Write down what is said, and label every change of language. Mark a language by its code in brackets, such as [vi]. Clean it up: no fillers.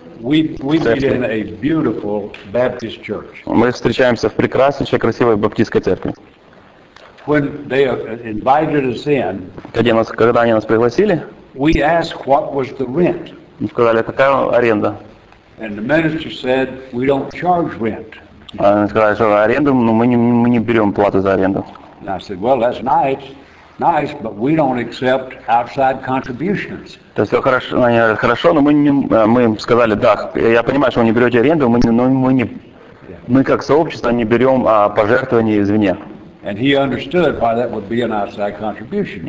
[en] We meet in a beautiful Baptist church. [ru] Мы встречаемся в прекраснейшей, красивой баптистской церкви. [en] When they invited us in, [ru] когда они нас пригласили, [en] we asked what was the rent. [ru] Мы сказали, какая аренда. [en] And the minister said, we don't charge rent. [ru] Они сказали, что аренду, но мы не берем плату за аренду. [en] And I said, well, that's nice, but we don't accept outside contributions. [ru] То есть хорошо, но мы сказали, да, я понимаю, что вы не берете аренду, мы как сообщество не берем пожертвования извне. [en] And he understood why that would be an outside contribution.